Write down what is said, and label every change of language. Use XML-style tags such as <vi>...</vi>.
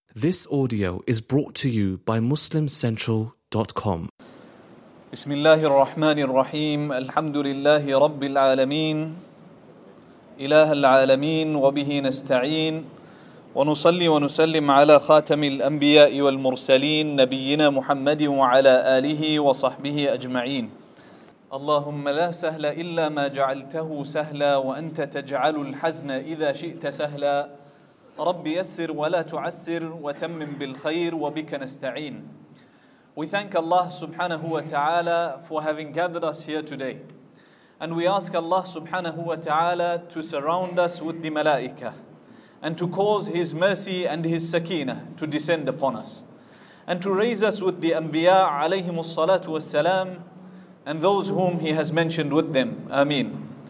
<en>This audio is brought to you by MuslimCentral.com.</en> <ar>بسم الله الرحمن الرحيم الحمد لله رب العالمين إله العالمين وبه نستعين ونصلي ونسلم على خاتم الأنبياء والمرسلين نبينا محمد وعلى آله وصحبه أجمعين اللهم لا سهل إلا ما جعلته سهلا وأنت تجعل الحزن إذا شئت سهلا رب يسر ولا تعسر وتمم بالخير وبك نستعين.</ar> <en>We thank Allah subhanahu wa ta'ala for having gathered us here today. And we ask Allah subhanahu wa ta'ala to surround us with the malaika and to cause His mercy and His sakinah to descend upon us. And to raise us with the anbiya alayhim as-salatu was-salam and those whom He has mentioned with them. Ameen.</en>